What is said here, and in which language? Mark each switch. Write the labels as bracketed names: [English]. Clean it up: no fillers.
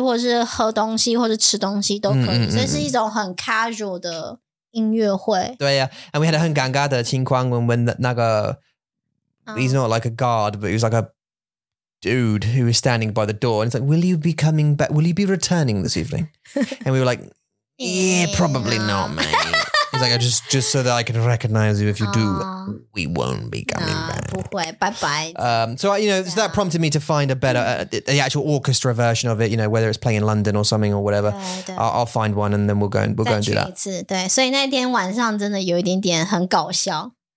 [Chinese] 你可以在那边就是走来走去，或是喝东西，或是吃东西都可以。这是一种很 casual 的音乐会。对呀, [English] and we had a 很尴尬的情况 when that 那个 he's not like a guard, but he was like a dude who was standing by the door, and it's like, will you be coming back? Will you be returning this evening? And we were like, yeah, probably not, mate. He's like, just so that I can recognize you. If you do, we won't be coming back. [Chinese] 不会, bye bye. [English] So, you know, so that prompted me to find a better, the actual orchestra version of it, you know, whether it's playing in London or something or whatever. [Chinese] 对, [English] I'll find one and then we'll go and do that. [Chinese] 对,所以那天晚上真的有一点点很搞笑。